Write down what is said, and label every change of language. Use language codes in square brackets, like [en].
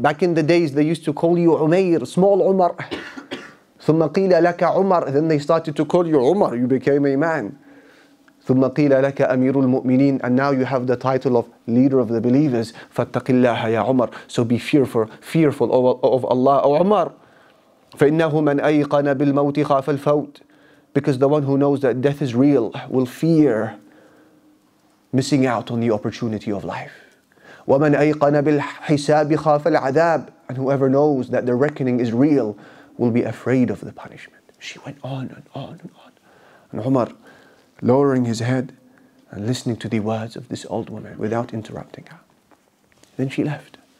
[en] Back in the days, they used to call you Umayr, small Umar. [ar] ثم قيل لك عمر. [en] Then they started to call you Umar, you became a man. [ar] ثم قيل لك أمير المؤمنين. [en] And now you have the title of leader of the believers. [ar] فاتق الله يا عمر. [en] So be fearful of Allah, O Umar. [ar] فإنه من أيقن بالموت خاف الفوت. [en] Because the one who knows that death is real will fear missing out on the opportunity of life. [ar] ومن أيقن بالحساب خاف العذاب. [en] And whoever knows that the reckoning is real will be afraid of the punishment. She went on and on and on. And Umar, lowering his head and listening to the words of this old woman without interrupting her. Then she left.